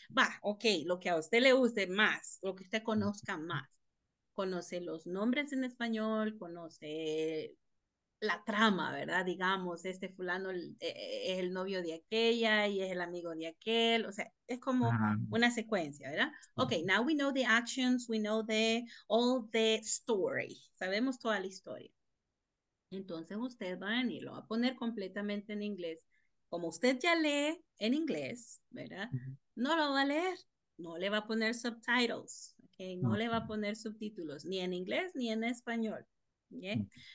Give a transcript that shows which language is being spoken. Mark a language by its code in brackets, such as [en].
[es] Va, ok, lo que a usted le guste más, lo que usted conozca más. Conoce los nombres en español, conoce la trama, ¿verdad? Digamos, este fulano es el novio de aquella y es el amigo de aquel. O sea, es como una secuencia, ¿verdad? [en] Ok, now we know the actions, we know the all the story. [es] Sabemos toda la historia. Entonces usted va a venir, lo va a poner completamente en inglés. Como usted ya lee en inglés, ¿verdad? No lo va a leer. No le va a poner subtitles. ¿Okay? No le va a poner subtítulos ni en inglés ni en español. ¿Okay?